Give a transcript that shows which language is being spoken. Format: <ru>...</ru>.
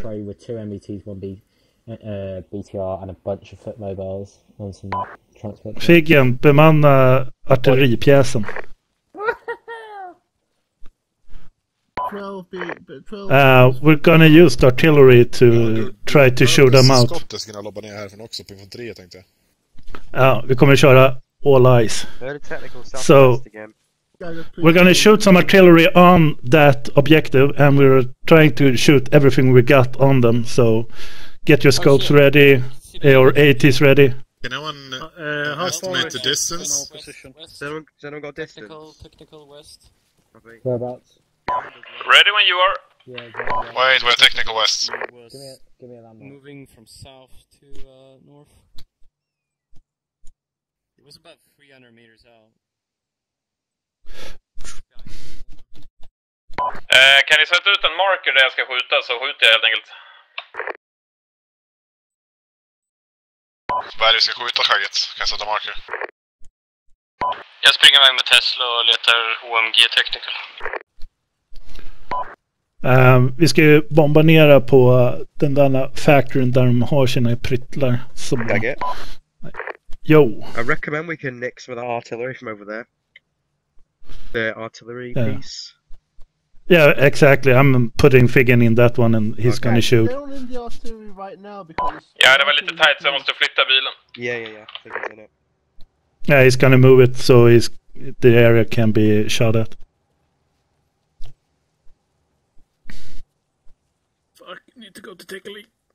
<en>sorry, with two MBTs, one BTR, and a bunch of foot mobiles on some transport.</en> <sv>Figgen, bemanna artilleripjäsen. 12</sv> <en>We're gonna use the artillery to try to show them out.</en> <sv>Skottet ska lobba ner härifrån också på infanteri, tänkte jag. Ja, vi kommer att köra</sv> <en>all eyes. So, we're gonna shoot some artillery on that objective and we're trying to shoot everything we got on them. So, get your scopes ready, or ATs ready. Can anyone estimate the distance? General got distance. Technical west. Whereabouts? Ready when you are. Yeah, exactly. Wait, we're technical west. Give me a landmark. Moving from south to north. It was about 300 meters out.</en> <sv>Kan ni sätta ut en marker där jag ska skjuta så skjuter jag helt enkelt. Vad är det vi ska skjuta, Kaget? Kan jag sätta marker? Jag springer iväg med Tesla och letar HMG Technical. Vi ska ju bomba ner på den där factoryn där de har sina pryttlar. Kaget?</sv> <en>Yo. I recommend we can nix with the artillery from over there. The artillery piece. Yeah, exactly. I'm putting Figgen in that one and he's gonna shoot. They're in the artillery right now because...</en> <sv>Yeah, det var lite tight så jag måste flytta bilen.</sv> <en>Yeah. Figgen's in it. Yeah, he's gonna move it so the area can be shot at. Fuck, need to go to take a leak.</en>